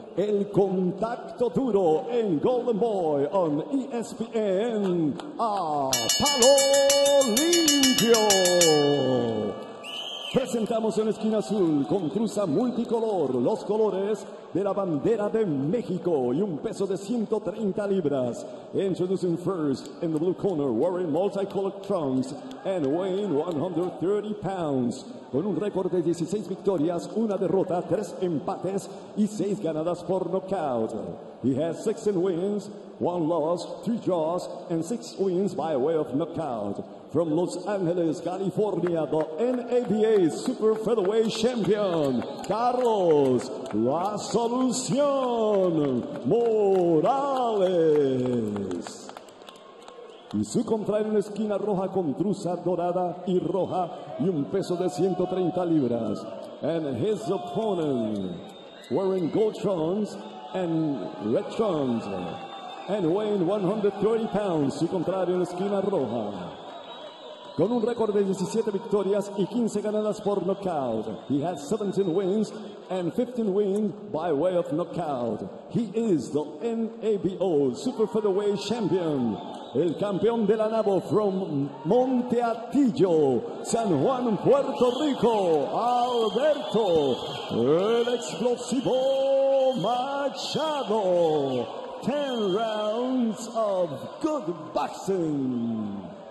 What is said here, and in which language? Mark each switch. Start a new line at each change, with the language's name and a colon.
Spanish: El contacto duro en Golden Boy on ESPN, a palo limpio. Presentamos en la esquina azul, con cruza multicolor, los colores de la bandera de México y un peso de 130 libras.
English: Introducing first in the blue corner, wearing multicolored trunks and weighing 130 pounds.
Spanish: Con un récord de 16 victorias, una derrota, 3 empates y 6 ganadas por knockout.
English: He has 6 wins, 1 loss, 3 draws and 6 wins by way of knockout. From Los Angeles, California, the NABA Super Featherweight Champion, Carlos La Solución Morales.
Spanish: Y su contrario en la esquina roja con trusa dorada y roja y un peso de 130 libras.
English: And his opponent wearing gold trunks and red trunks and weighing 130 pounds.
Spanish: Su contrario en la esquina roja, con un récord de 17 victorias y 15 ganadas por knockout.
English: He has 17 wins and 15 wins by way of knockout. He is the NABO Super Featherweight Champion.
Spanish: El campeón de la NABO from Monte Atillo, San Juan, Puerto Rico, Alberto El Explosivo Machado.
English: 10 rounds of good boxing.